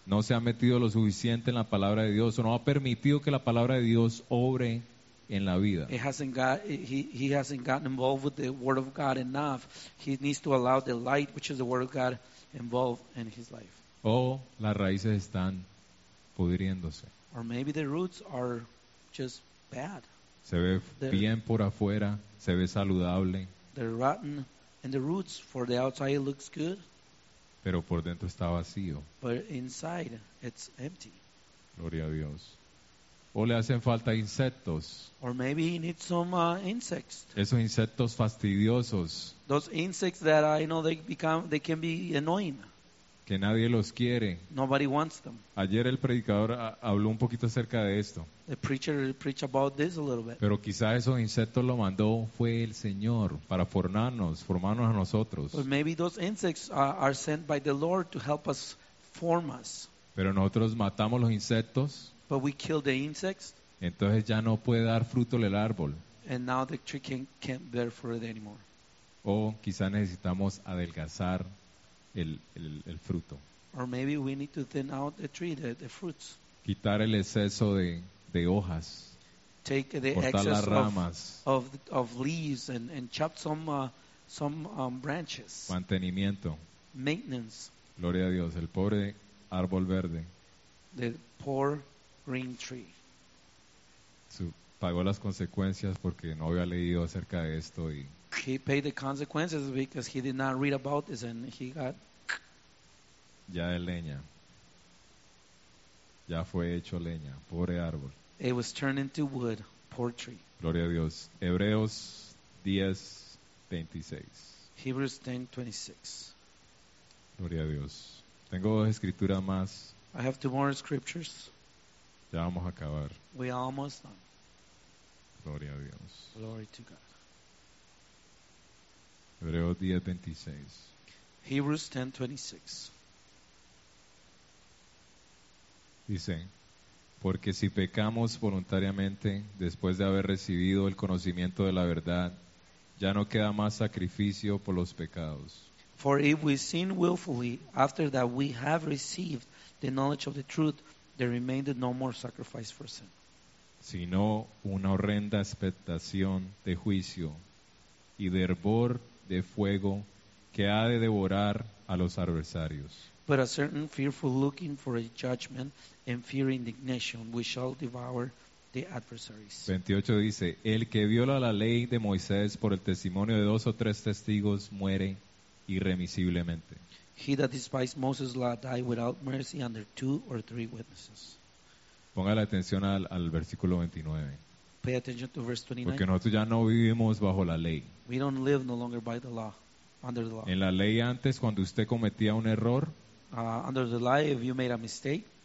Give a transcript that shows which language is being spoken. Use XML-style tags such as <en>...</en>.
<es>No se ha metido lo suficiente en la palabra de Dios. O no ha permitido que la palabra de Dios obre en la vida.</es> <en>He hasn't gotten involved with the word of God enough. He needs to allow the light, which is the word of God, involved in his life.</en> <es>Oh, las raíces están pudriéndose.</es> <en>Or maybe the roots are just bad.</en> <es>Se ve bien por afuera, se ve saludable.</es> <en>They're rotten, and the roots for the outside looks good.</en> <es>Pero por dentro está vacío.</es> <en>But inside it's empty.</en> <es>Gloria a Dios. O le hacen falta insectos.</es> <en>Or maybe he needs some insects.</en> <es>Esos insectos fastidiosos.</es> <en>Those insects that I know they can be annoying.</en> <es>que nadie los quiere.</es> <en>Nobody wants them.</en> <es>Ayer el predicador habló un poquito acerca de esto.</es> <en>The preacher preached about this a little bit.</en> <es>Pero quizá esos insectos lo mandó fue el Señor para formarnos a nosotros.</es> <en>But maybe those insects are sent by the Lord to help us form us.</en> <es>Pero nosotros matamos los insectos.</es> <en>But we kill the insects.</en> <es>Entonces ya no puede dar fruto el árbol.</es> <en>And now the tree can't bear fruit anymore.</en> <es>O quizá necesitamos adelgazar el fruto.</es> <en>Or maybe we need to thin out the tree, the fruits.</en> <es>Quitar el exceso de hojas.</es> <en>Take the</en> <es>cortar</es> <en>excess</en> <es>ramas,</es> <en>of leaves and chop some branches.</en> <es>Mantenimiento.</es> <en>Maintenance.</en> <es>Gloria a Dios, el pobre árbol verde.</es> <en>The poor green tree.</en> <es>Pagó las consecuencias porque no había leído acerca de esto y</es> <en>he paid the consequences because he did not read about this and he got</en> <es>ya de leña. Ya fue hecho leña, pobre árbol.</es> <en>It was turned into wood, poor tree.</en> <es>Gloria a Dios. Hebreos 10:26.</es> <en>Hebrews 10:26.</en> <es>Gloria a Dios. Tengo dos escrituras más.</es> <en>I have two more scriptures.</en> <es>Ya vamos a acabar.</es> <en>We are almost done.</en> <es>Gloria a Dios.</es> <en>Glory to God.</en> <es>Hebreos 10:26.</es> <en>Hebrews 10:26.</en> <es>Dice, porque si pecamos voluntariamente después de haber recibido el conocimiento de la verdad, ya no queda más sacrificio por los pecados.</es> <en>For if we sin willfully after that we have received the knowledge of the truth, there remained no more sacrifice for sin.</en> <es>Sino una horrenda expectación de juicio y de hervor de fuego que ha de devorar a los adversarios.</es> <en>But a certain fearful looking for a judgment and fear indignation which shall devour the adversaries.</en> <es>28 dice, el que viola la ley de Moisés por el testimonio de dos o tres testigos muere irremisiblemente.</es> <en>He that despised Moses' law die without mercy under two or three witnesses.</en> <es>Ponga la atención al versículo 29.</es> <en>Pay attention to verse 29.</en> <es>Porque nosotros ya no vivimos bajo la ley.</es> <en>We don't live no longer by the law, under the law.</en> <es>En la ley antes, cuando usted cometía un error,</es> <en>under the law, if you made a mistake,</en>